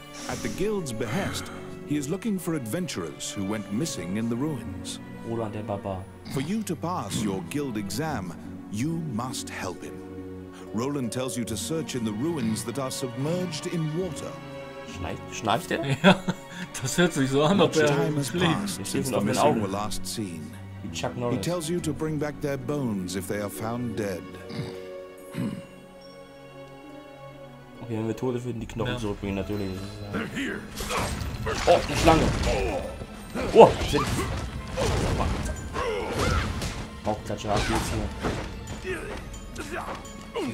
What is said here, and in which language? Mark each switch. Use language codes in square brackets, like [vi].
[en] At the Guild's behest, he is looking for adventurers who went missing in the ruins. [de] Roland, der Baba. [en] For you to pass your Guild exam, you must help him. Roland tells you to search in the ruins that are submerged in water. [de] Schnarcht er? Ja, das hört sich so an, ob er schläft. Chuck Norris. [en] He tells you to bring back their bones if they are found dead. [de] Okay, wenn wir Tote finden, die Knochen zurückbringen, natürlich. Oh, eine Schlange! Oh, shit! Bauchklatscher ab jetzt hier.